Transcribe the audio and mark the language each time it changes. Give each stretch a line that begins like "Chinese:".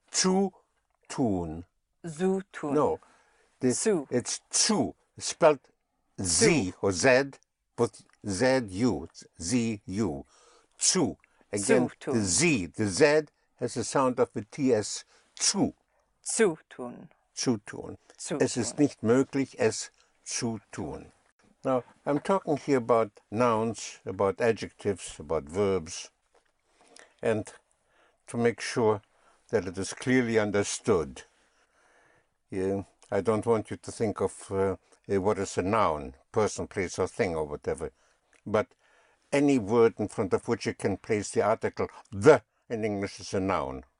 German: Zu tun. Zu tun.
English: No.
German: Zu.
English: It's zu. Spelled Z or Z. But Z U. Z U. Zu. Again,
German: zu
English: the Z. The Z has the sound of a TS.
German: Zu. Zu tun. Zu tun. Zu es ist nicht möglich, es zu tun.
English: Now, I'm talking here about nouns, about adjectives, about verbs, and to make sure that it is clearly understood. I don't want you to think of what is a noun, person, place, or thing, or whatever, but any word in front of which you can place the article the in English is a noun.